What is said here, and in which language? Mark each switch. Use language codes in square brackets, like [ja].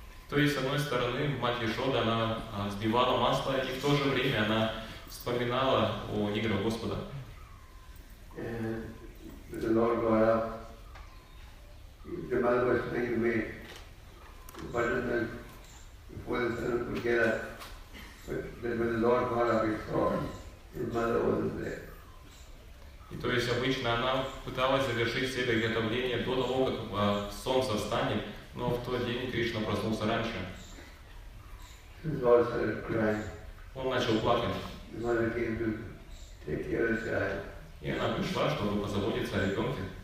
[ru] То есть, с одной стороны, мать Яшода, она сбивала масло, и в то же время она вспоминала о играх Господа. [en] The Lord got up. The mother was trying to make the buttermilk before the son could get up. But then when the Lord got up, he saw his mother wasn't there. [ru] И то есть обычно она пыталась завершить все приготовления до того, как солнце встанет, но в тот день Кришна проснулся раньше. [en] The Lord started crying. [ru] Он начал плакать. [en] The mother came to take care of the child. [ru] И она пришла, чтобы позаботиться о ребенке.